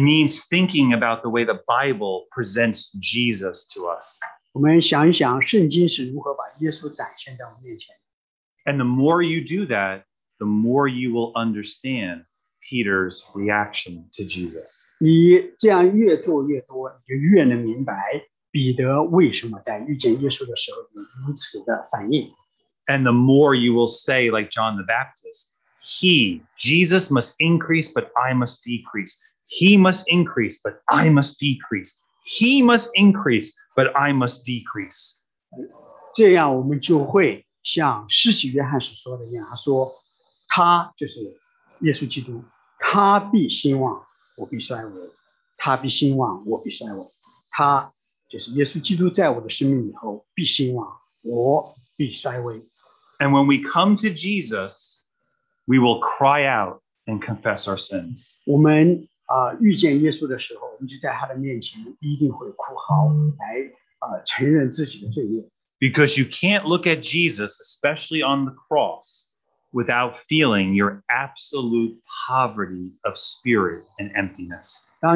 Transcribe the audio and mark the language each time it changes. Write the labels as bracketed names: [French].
[English] means thinking about the way the Bible presents Jesus to us. [Chinese] 我们想一想，圣经是如何把耶稣展现在我们面前。 [English] And the more you do that, the more you will understand Peter's reaction to Jesus. [Chinese] 你这样越做越多，你就越能明白彼得为什么在遇见耶稣的时候有如此的反应。 [English] And the more you will say, like John the Baptist, he, Jesus, must increase, but I must decrease. He must increase, but I must decrease. He must increase, but I must decrease. [Chinese] 这样我们就会像施洗约翰所说的一样，他说：“他就是耶稣基督，他必兴旺，我必衰微；他必兴旺，我必衰微；他就是耶稣基督在我的生命以后必兴旺，我必衰微。” [English] And when we come to Jesus, we will cry out and confess our sins. [Chinese] 我们遇见耶稣的时候，我们就在他的面前一定会哭嚎，来承认自己的罪孽。 [English] Because you can't look at Jesus, especially on the cross, without feeling your absolute poverty of spirit and emptiness.